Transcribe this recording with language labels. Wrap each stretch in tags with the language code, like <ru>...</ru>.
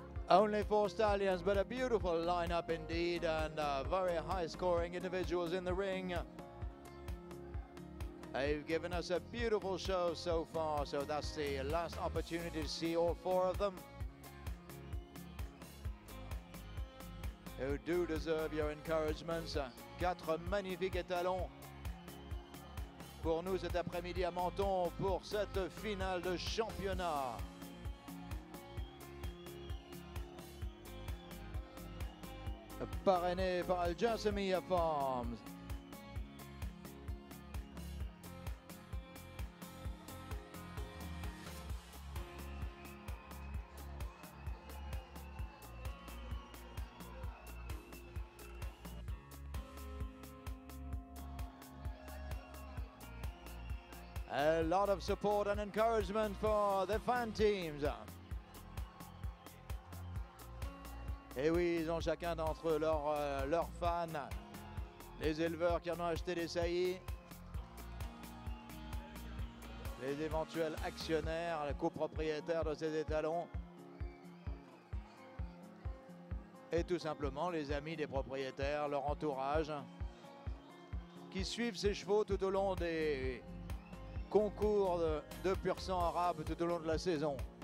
<en>Only four stallions, but a beautiful lineup indeed, and very high scoring individuals in the ring. They've given us a beautiful show so far, so that's the last opportunity to see all four of them, who do deserve your encouragements.</en> <fr>Quatre magnifiques étalons pour nous cet après-midi à Menton pour cette finale de championnat. Parrainé par Jasmine Farms.</fr> <en>A lot of support and encouragement for the fan teams.</en> <fr>Et oui, ils ont chacun d'entre eux leurs fans, les éleveurs qui en ont acheté des saillies, les éventuels actionnaires, les copropriétaires de ces étalons, et tout simplement les amis des propriétaires, leur entourage, qui suivent ces chevaux tout au long des concours de pur sang arabe tout au long de la saison.</fr>